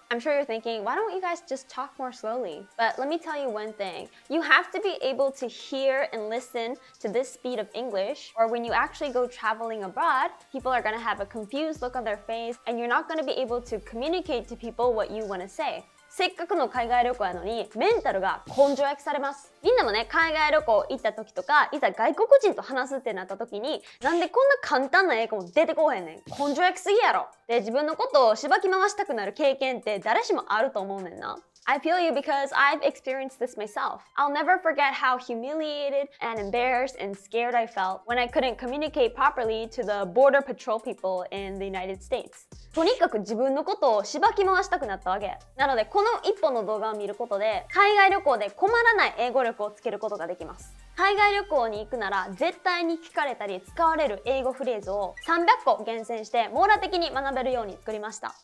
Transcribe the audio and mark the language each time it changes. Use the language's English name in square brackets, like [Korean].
[English] I'm sure you're thinking, why don't you guys just talk more slowly? But let me tell you one thing. You have to be able to hear and listen to this speed of English, or when you actually go traveling abroad, people are gonna have a confused look on their face, and you're not gonna be able to communicate to people what you wanna say. [Japanese] せっかくの海外旅行やのに、メンタルが根性焼きされます。みんなもね、海外旅行行った時とか、いざ外国人と話すってなった時に、なんでこんな簡単な英語も出てこへんねん。根性焼きすぎやろ。で、自分のことをしばき回したくなる経験って誰しもあると思うねんな。 [English] I feel you because I've experienced this myself. I'll never forget how humiliated and embarrassed and scared I felt when I couldn't communicate properly to the border patrol people in the United States. [Japanese] とにかく自分のことをしばき回したくなったわけ。なので、この一本の動画を見ることで、海外旅行で困らない英語力をつけることができます。海外旅行に行くなら、絶対に聞かれたり使われる英語フレーズを300個厳選して網羅的に学べるように作りました。